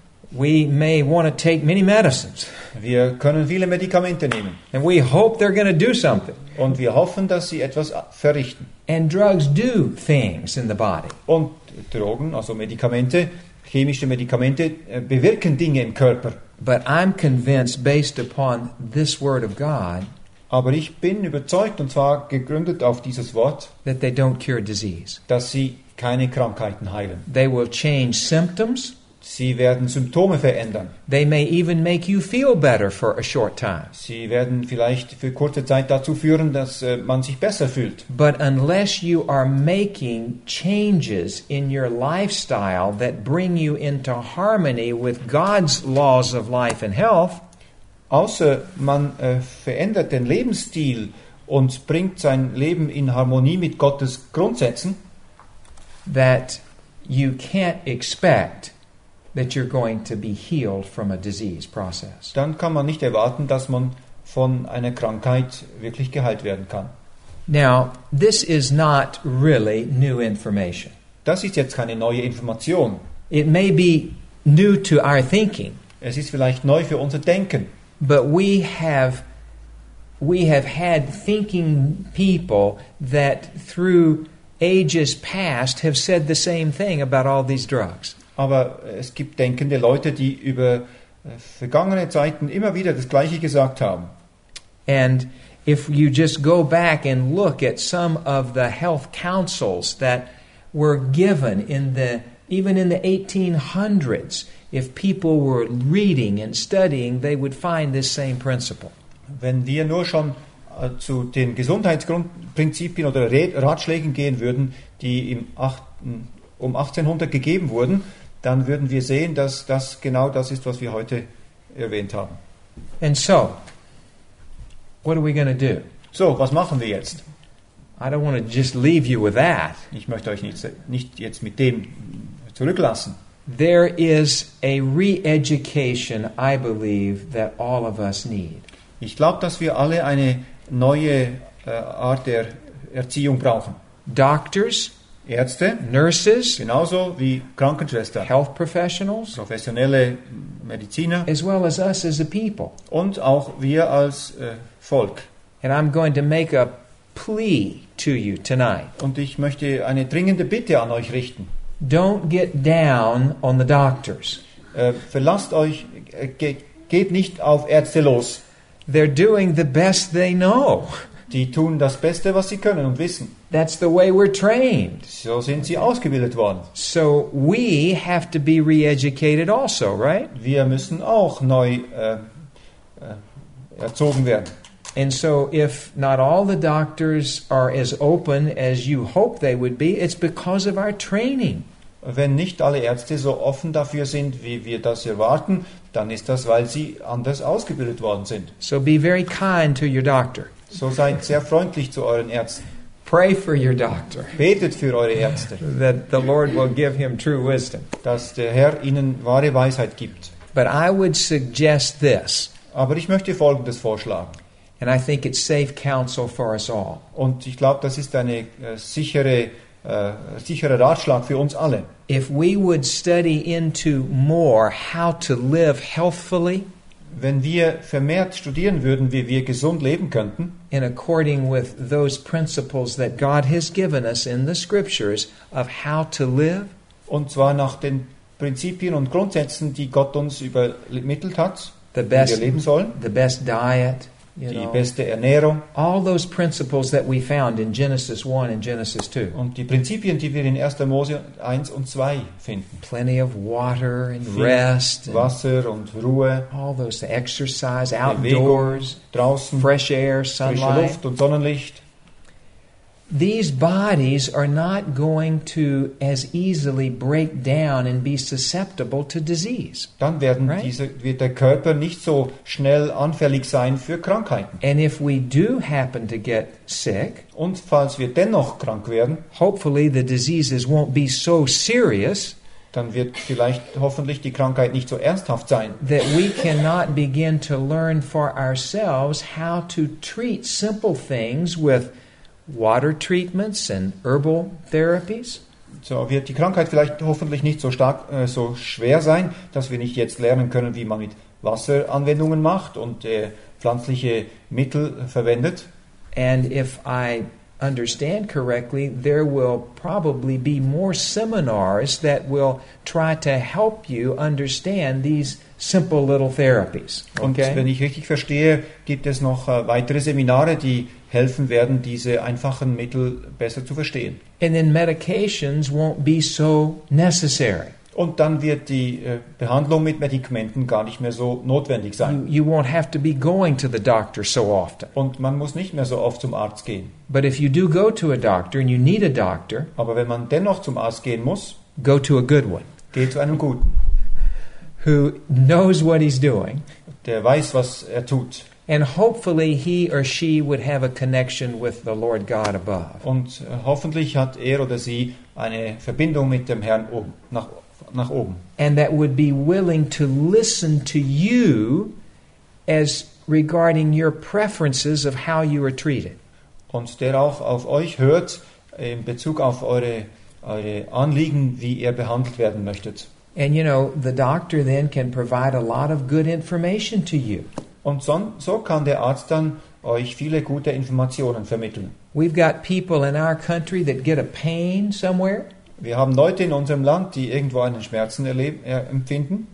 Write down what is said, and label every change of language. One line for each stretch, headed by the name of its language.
English: We may want to take many medicines.
German: Wir können viele Medikamente nehmen.
English: And we hope they're going to do something.
German: Und wir hoffen, dass sie etwas verrichten.
English: And drugs do things in the body.
German: Und Drogen, also Medikamente, chemische Medikamente bewirken Dinge im Körper.
English: But I'm convinced based upon this word of God.
German: Aber ich bin überzeugt, und zwar gegründet auf dieses Wort,
English: that they don't cure disease.
German: Dass sie keine Krankheiten heilen.
English: They will change symptoms.
German: Sie werden Symptome verändern.
English: They may even make you feel better for a short time.
German: Sie werden vielleicht für kurze Zeit dazu führen, dass man sich besser fühlt.
English: But unless you are making changes in your lifestyle that bring you into harmony with God's laws of life and health,
German: außer man verändert den Lebensstil und bringt sein Leben in Harmonie mit Gottes Grundsätzen,
English: that you can't expect that you're going to be healed from a disease process.
German: Dann kann man nicht erwarten, dass man von einer Krankheit wirklich geheilt werden kann.
English: Now, this is not really new information.
German: Das ist jetzt keine neue Information.
English: It may be new to our thinking.
German: Es ist vielleicht neu für unser Denken.
English: But we have had thinking people that through ages past have said the same thing about all these drugs.
German: Aber es gibt denkende Leute, die über vergangene Zeiten immer wieder das Gleiche gesagt haben.
English: And if you just go back and look at some of the health counsels that were given even in the 1800s, if people were reading and studying, they would find this same principle.
German: Wenn wir nur schon zu den Gesundheitsgrundprinzipien oder Ratschlägen gehen würden, die um 1800 gegeben wurden, dann würden wir sehen, dass das genau das ist, was wir heute erwähnt haben.
English: And so, what are we going to do?
German: So, was machen wir jetzt?
English: I don't want to just leave you with that.
German: Ich möchte euch nicht jetzt mit dem zurücklassen.
English: There is a re-education, I believe, that all of us need.
German: Ich glaube, dass wir alle eine neue Art der Erziehung brauchen.
English: Doctors,
German: Ärzte,
English: nurses,
German: genauso wie Krankenschwestern,
English: health professionals,
German: professionelle Mediziner,
English: as well as us as a people.
German: Und auch wir als Volk.
English: And I'm going to make a plea to you tonight.
German: Und ich möchte eine dringende Bitte an euch richten.
English: Don't get down on the doctors.
German: Verlasst euch, geht nicht auf Ärzte los.
English: They're doing the best they know.
German: Die tun das Beste, was sie können und wissen.
English: That's the way we're trained.
German: So sind sie ausgebildet worden.
English: So we have to be re-educated also, right?
German: Wir müssen auch neu erzogen werden.
English: And so if not all the doctors are as open as you hope they would be, it's because of our training.
German: Wenn nicht alle Ärzte so offen dafür sind, wie wir das erwarten, dann ist das, weil sie anders ausgebildet worden sind.
English: So be very kind to your doctor.
German: So seid sehr freundlich zu euren Ärzten.
English: Pray for your doctor.
German: Betet für eure Ärzte.
English: That the Lord will give him true wisdom.
German: Dass der Herr ihnen wahre Weisheit gibt.
English: But I would suggest this.
German: Aber ich möchte Folgendes vorschlagen.
English: And I think it's safe counsel for us all.
German: Und ich glaube, das ist eine sichere Ratschlag für uns alle.
English: If we would study into more how to live healthfully,
German: wenn wir vermehrt studieren würden, wie wir gesund leben könnten,
English: in according with those principles that God has given us in the scriptures of how to live,
German: und zwar nach den Prinzipien und Grundsätzen, die Gott uns übermittelt hat,
English: the best,
German: wie wir leben sollen,
English: the best diet,
German: die beste Ernährung.
English: All those principles that we found in Genesis 1 and Genesis 2.
German: Und die Prinzipien, die wir in 1. Mose 1 und 2 finden.
English: Plenty of water and rest.
German: Wasser und Ruhe.
English: All those exercise outdoors.
German: Draußen.
English: Fresh air, sunlight.
German: Frische Luft und Sonnenlicht.
English: These bodies are not going to as easily break down and be susceptible to disease.
German: Dann werden
English: right?
German: diese, wird der Körper nicht so schnell anfällig sein für Krankheiten.
English: And if we do happen to get sick,
German: und falls wir dennoch krank werden,
English: hopefully the diseases won't be so serious,
German: dann wird vielleicht hoffentlich die Krankheit nicht so ernsthaft sein,
English: that we cannot begin to learn for ourselves how to treat simple things with water treatments and herbal therapies.
German: So wird die Krankheit vielleicht hoffentlich nicht so stark, so schwer sein, dass wir nicht jetzt lernen können, wie man mit Wasseranwendungen macht und pflanzliche Mittel verwendet.
English: And if I understand correctly, there will probably be more seminars that will try to help you understand these simple little therapies. Okay?
German: Und wenn ich richtig verstehe, gibt es noch weitere Seminare, die helfen werden, diese einfachen Mittel besser zu verstehen.
English: And then medications won't be so necessary.
German: Und dann wird die Behandlung mit Medikamenten gar nicht mehr so notwendig sein.
English: You won't have to be going to the doctor so often.
German: Und man muss nicht mehr so oft zum Arzt gehen.
English: But if you do go to a doctor and you need a doctor,
German: aber wenn man dennoch zum Arzt gehen muss,
English: go to a good one.
German: Geh zu einem guten.
English: Who knows what he's doing.
German: Der weiß, was er tut.
English: And hopefully he or she would have a connection with the Lord God above.
German: Und hoffentlich hat er oder sie eine Verbindung mit dem Herrn oben, nach oben.
English: And that would be willing to listen to you as regarding your preferences of how you are treated.
German: Und der auch auf euch hört in Bezug auf eure Anliegen, wie ihr behandelt werden möchtet.
English: And you know, the doctor then can provide a lot of good information to you.
German: Und so kann der Arzt dann euch viele gute Informationen vermitteln.
English: We've got people in our country that get a pain somewhere.
German: Wir haben Leute in unserem Land, die irgendwo einen Schmerzen empfinden.